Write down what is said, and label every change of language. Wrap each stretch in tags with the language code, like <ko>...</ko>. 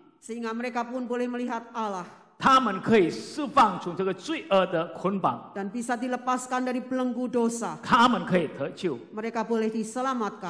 <id>sehingga mereka pun boleh melihat Allah,</id> <zh>他们可以释放从这个罪恶的捆绑,</zh> <id>dan bisa dilepaskan dari belenggu dosa,</id> <zh>他们可以得救,</zh> <id>mereka boleh diselamatkan.</id>